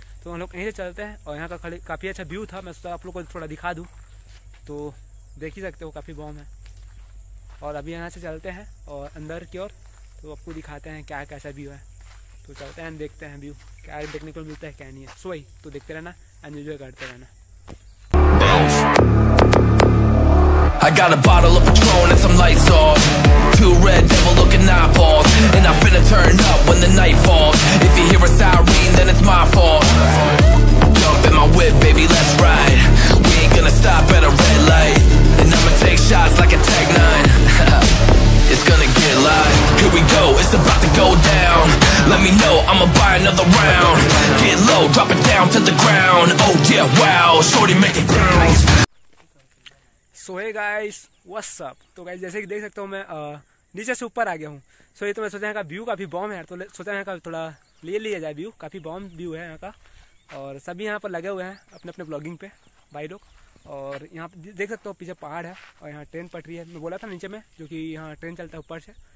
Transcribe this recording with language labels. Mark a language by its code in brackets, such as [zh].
[hi] तो हम लोग यहीं से चलते हैं और यहाँ का काफ़ी अच्छा व्यू था, मैं सोचा आप लोग को थोड़ा दिखा दूँ। तो देख ही सकते हो काफ़ी बॉम है। और अभी यहाँ से चलते हैं और अंदर की ओर, तो आपको दिखाते हैं क्या कैसा व्यू है। तो चलते हैं, देखते हैं व्यू क्या देखने को मिलता है क्या नहीं है। सो वही तो देखते रहना एंड एंजॉय करते रहना। [en] I got a bottle of Patron and some lights off. Two red devil looking eyeballs. And I'm finna turn up when the night falls. If you hear a siren, then it's my fault. Jump in my whip, baby, let's ride. We ain't gonna stop at a red light. And I'ma take shots like a tag nine. It's gonna get live. Here we go, it's about to go down. Let me know, I'ma buy another round. Get low, drop it down to the ground. Oh yeah, wow, shorty make it bounce. So hey guys, what's up. [hi] तो guys जैसे कि देख सकते हो मैं नीचे से ऊपर आ गया हूँ। सो ये तो मैं सोचा यहाँ का व्यू काफ़ी बॉम है यार, तो सोचा यहाँ का थोड़ा ले लिया जाए व्यू। काफ़ी बॉम व्यू है यहाँ का और सभी यहाँ पर लगे हुए हैं अपने अपने ब्लॉगिंग पे भाई लोग। और यहाँ देख सकते हो पीछे पहाड़ है और यहाँ ट्रेन पटरी है, मैं बोला था नीचे में जो कि यहाँ ट्रेन चलता है ऊपर से।